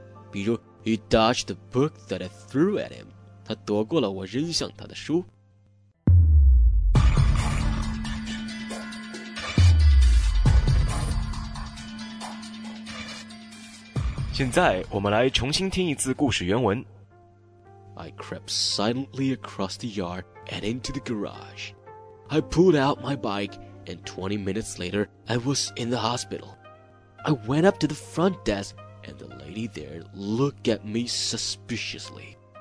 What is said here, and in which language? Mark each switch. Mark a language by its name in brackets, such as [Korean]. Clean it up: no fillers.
[English] 比如 He dodged the book that I threw at him. [Chinese] 他躲过了我扔向他的书。现在我们来重新听一次故事原文。 [English] I crept silently across the yard and into the garage. I pulled out my bike and 20 minutes later I was in the hospital. I went up to the front desk and the lady there looked at me suspiciously.